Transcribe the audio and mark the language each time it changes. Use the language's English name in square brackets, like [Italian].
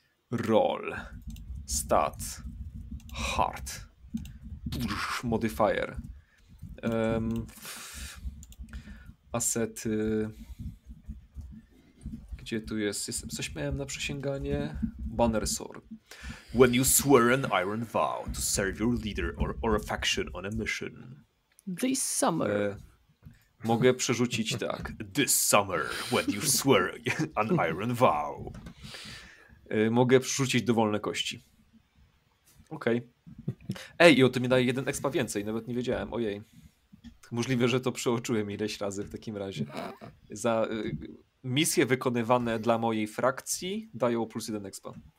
[English] Roll. Stat. Heart. Modifier. Asety. [Polish] Gdzie tu jest? Coś miałem na przysięganie. [English] Banner sword. When you swear an iron vow to serve your leader or a faction on a mission. This summer. [Polish] Mogę przerzucić tak. [English] This summer, when you swear an iron vow. [Polish] Mogę przerzucić dowolne kości. Okej. Okay. Ej, i o to mi daje jeden expa więcej. Nawet nie wiedziałem. Ojej. Możliwe, że to przeoczyłem ileś razy w takim razie. Za... misje wykonywane dla mojej frakcji dają plus jeden expo.